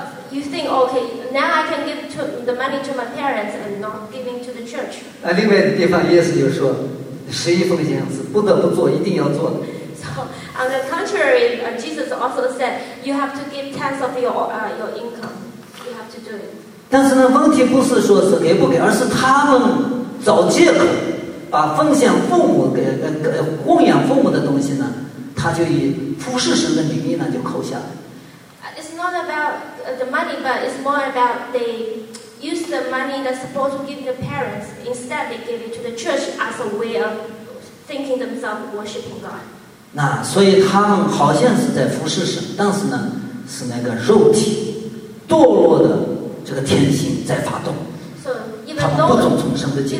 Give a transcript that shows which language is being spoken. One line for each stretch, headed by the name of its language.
English: You think, okay, now I can give the money to my parents and not giving to the church.
Chinese: 另外的地方，耶稣就说，十一奉献是不得不做，一定要做的。
English: So on the contrary, Jesus also said you have to give tenth of your income. You have to do it.
Chinese: 但是呢，问题不是说是给不给，而是他们找借口把奉献父母给供养父母的东西呢，他就以服侍神的名义呢就扣下来。
English: It's not about the money, but it's more about they use the money that's supposed to give the parents. Instead, they give it to the church as a way of thinking themselves worshiping God.
Chinese: 那所以他们好像是在服侍神，但是呢，是那个肉体堕落的这个天性在发动。
English: So even though
Chinese: 他们不懂重生的经